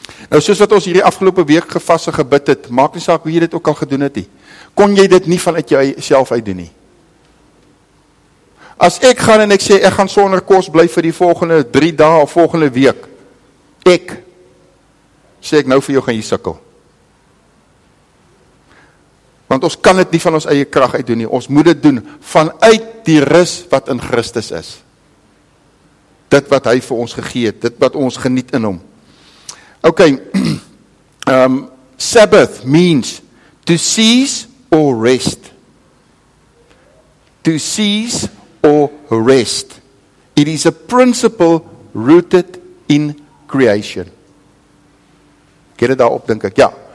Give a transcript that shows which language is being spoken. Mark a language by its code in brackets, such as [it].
[af] Nou soos wat ons hierdie afgelope week gevas en gebid het, maak nie saak hoe jy dit ook al gedoen het nie, kon jy dit nie vanuit jou self uit doen nie. As ek gaan en ek sê, ek gaan sonder kos bly vir die volgende 3 dae of volgende week, ek, sê ek nou vir jou gaan jy sukkel. Want ons kan dit nie van ons eie krag uit doen nie, ons moet dit doen vanuit die rus wat in Christus is. Dit wat hy vir ons gegee het, dit wat ons geniet in hom. [en] Ok, Sabbath means to cease or rest. To cease or rest. It is a principle rooted in creation. Get it [af] daarop, denk ek, ja.